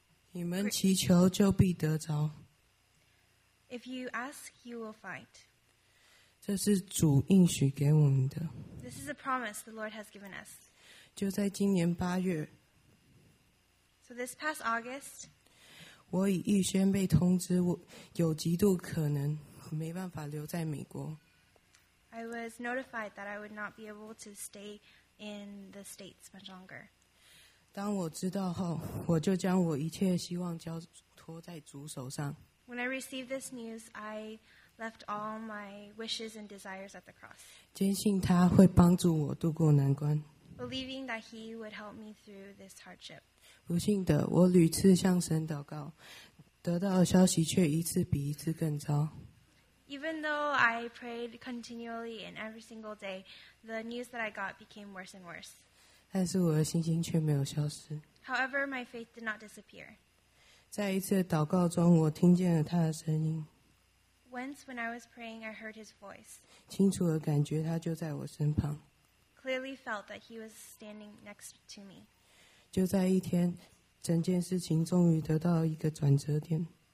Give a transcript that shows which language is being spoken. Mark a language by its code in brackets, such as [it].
[zh] 你们祈求就必得着。 [en] If you ask, you will find. [zh] 这是主应许给我们的。 [en] This is a promise the Lord has given us. [zh] 就在今年八月。 [en] So this past August, [zh] 我已预先被通知我有极度可能没办法留在美国。 [en] I was notified that I would not be able to stay in the States much longer. [zh] 当我知道后，我就将我一切希望交托在主手上。 [en] When I received this news, I left all my wishes and desires at the cross. [zh] 坚信他会帮助我渡过难关。 [en] Believing that he would help me through this hardship. [zh] 不幸的，我屡次向神祷告，得到的消息却一次比一次更糟。 [en] Even though I prayed continually and every single day, the news that I got became worse and worse. [zh] 但是我的信心却没有消失。 [en] However, my faith did not disappear. [zh] 在一次祷告中，我听见了他的声音。 [en] Once, when I was praying, I heard his voice. [zh] 清楚地感觉他就在我身旁。 [en] Clearly felt that he was standing next to me. [zh] 就在一天，整件事情终于得到一个转折点。